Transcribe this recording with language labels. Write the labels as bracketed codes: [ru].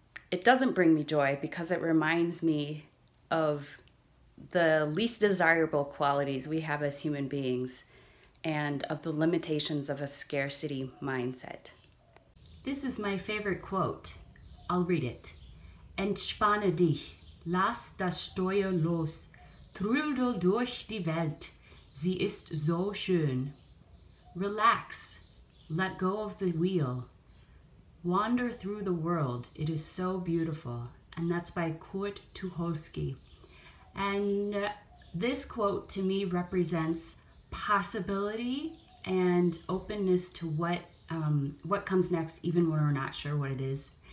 [en] It doesn't bring me joy because it reminds me of the least desirable qualities we have as human beings and of the limitations of a scarcity mindset. This is my favorite quote. I'll read it. [de] Entspanne dich, lass das Steuer los, trudel durch die Welt, sie ist so schön. [en] Relax, let go of the wheel. Wander through the world, it is so beautiful. And that's by Kurt Tucholsky. And this quote to me represents possibility and openness to what comes next, even when we're not sure what it is.